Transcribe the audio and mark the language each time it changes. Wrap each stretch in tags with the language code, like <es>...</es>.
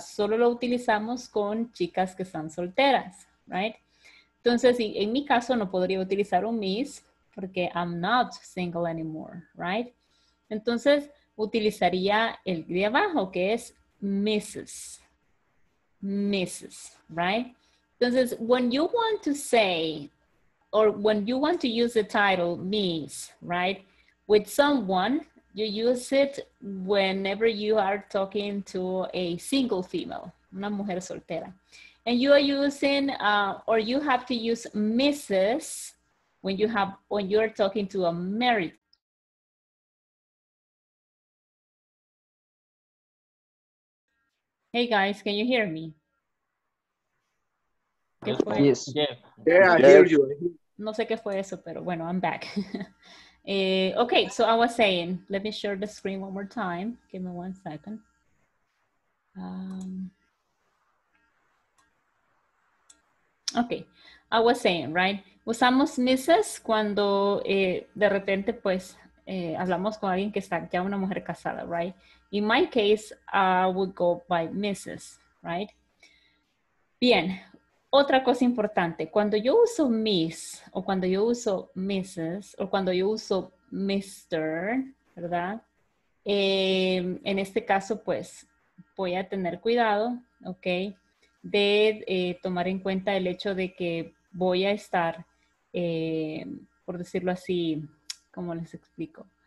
<es>Solo lo utilizamos con chicas que están solteras,</es> <en>right?</en> <es>Entonces, en mi caso no podría utilizar un Miss porque</es> <en>I'm not single anymore, right?</en> <es>Entonces, utilizaría el de abajo que es Mrs.,</es> <en>right? Entonces, when you want to say, or when you want to use the title Miss, right, with someone, you use it whenever you are talking to a single female,</en> <es>una mujer soltera.</es> <en>And you are using, or you have to use Mrs. When you are talking to a married. Hey guys, can you hear me? Yes. Yeah, I hear you.</en> <es>No sé qué fue eso, pero bueno,</es> <en>I'm back. okay, so I was saying, let me share the screen one more time. Give me 1 second. Okay, I was saying, right?</en> <es>Usamos</es> <en>Mrs.</en> <es>cuando de repente, pues, hablamos con alguien que está ya una mujer casada,</es> <en>right? In my case, I would go by Mrs., right?</en> <es>Bien, otra cosa importante. Cuando yo uso Miss, o cuando yo uso Mrs., o cuando yo uso Mr., ¿verdad? En este caso, pues, voy a tener cuidado, ¿ok? De tomar en cuenta el hecho de que voy a estar, por decirlo así, ¿cómo les explico?</es>